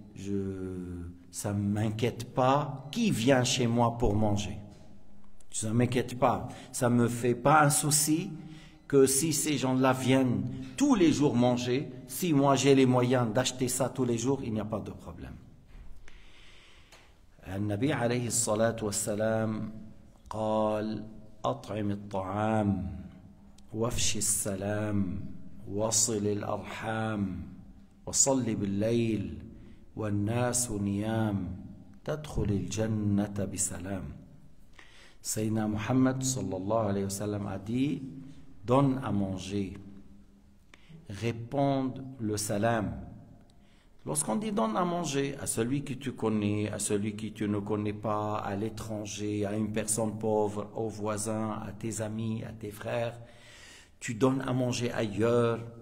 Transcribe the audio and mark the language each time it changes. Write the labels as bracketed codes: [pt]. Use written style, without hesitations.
[fr] Et ça ne m'inquiète pas qui vient chez moi pour manger. Ça ne m'inquiète pas. Ça ne me fait pas un souci que si ces gens-là viennent tous les jours manger, si moi j'ai les moyens d'acheter ça tous les jours, il n'y a pas de problème. [ar] Le Nabi alayhi salatu wa salam قال أطعم الطعام وافش السلام وصل الأرحام وصل بالليل والناس نيام تدخل الجنة بسلام. [fr] سيدنا محمد صلى الله عليه وسلم a dit donne à manger, répondre le salam. Lorsqu'on dit donne à manger à celui que tu connais, à celui que tu ne connais pas, à l'étranger, à une personne pauvre, au voisin, à tes amis, à tes frères, tu donnes à manger ailleurs.